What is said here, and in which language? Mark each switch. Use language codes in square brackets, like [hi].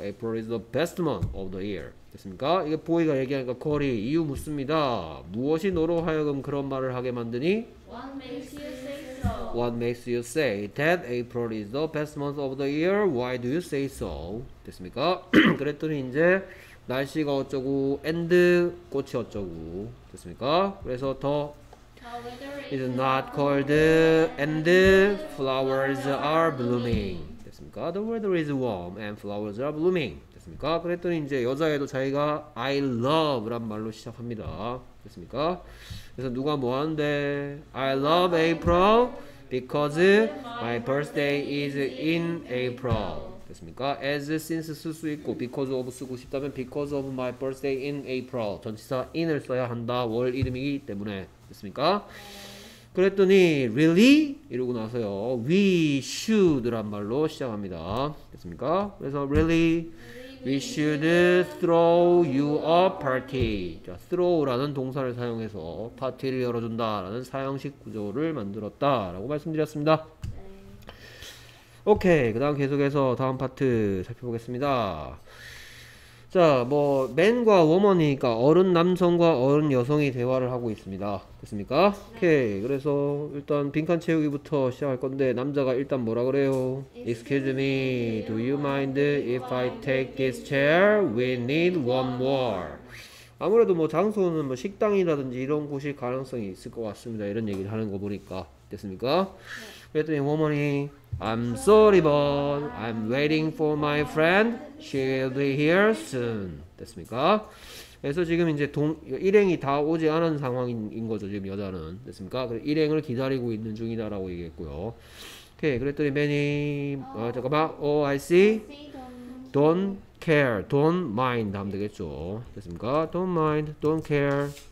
[en] April is the best month of the year. [ko] 됐습니까? 이게 보이가 얘기하니까 콜이 이유 묻습니다. 무엇이 너로 하여금 그런 말을 하게 만드니? [en] What makes you say so? What makes you say that April is the best month of the year? Why do you say so? [ko] 됐습니까? 그랬더니 이제 날씨가 어쩌고, and 꽃이 어쩌고. 됐습니까? 그래서 더 [en] The weather is is not cold cold and and flowers flowers are blooming. blooming. The weather is warm and flowers are blooming. [ko] 됐습니까? 그랬더니 이제 여자애도 자기가 I love 란 말로 시작합니다. 됐습니까? 그래서 누가 뭐 하는데? [en] I love April because my birthday is in April. [ko] 됐습니까? [en] As since [ko] 쓸수 있고 [en] because of [ko] 쓰고 싶다면 [en] because of my birthday in April. [ko] 전치사 in을 써야 한다. 월 이름이기 때문에. 됐습니까? 그랬더니 really 이러고 나서요 we should 란 말로 시작합니다. 됐습니까? [en] 그래서 really we should throw you a party. [ko] 자, throw라는 동사를 사용해서 파티를 열어준다라는 사형식 구조를 만들었다라고 말씀드렸습니다. 오케이, 그다음 계속해서 다음 파트 살펴보겠습니다. 자, 뭐 맨과 워먼이니까 어른 남성과 어른 여성이 대화를 하고 있습니다. 됐습니까? 오케이. 그래서 일단 빈칸 채우기부터 시작할 건데 남자가 일단 뭐라 그래요? [en] Excuse me, do you mind if I take this chair? We need one more. [ko] 아무래도 뭐 장소는 뭐 식당이라든지 이런 곳일 가능성이 있을 것 같습니다. 이런 얘기를 하는 거 보니까. 됐습니까? [en] 그랬더니 워먼이 I'm sorry, but I'm waiting for my friend. She'll be here soon. [ko] 됐습니까? 그래서 지금 이제 일행이 다 오지 않은 상황인 거죠. 지금 여자는. 됐습니까? 그래서 일행을 기다리고 있는 중이다라고 얘기했고요. 오케이. 그랬더니 매니, 아, 잠깐만. [en] Oh, I see. Don't care. Don't mind. [ko] 하면 되겠죠. 됐습니까? [en] Don't mind. Don't care.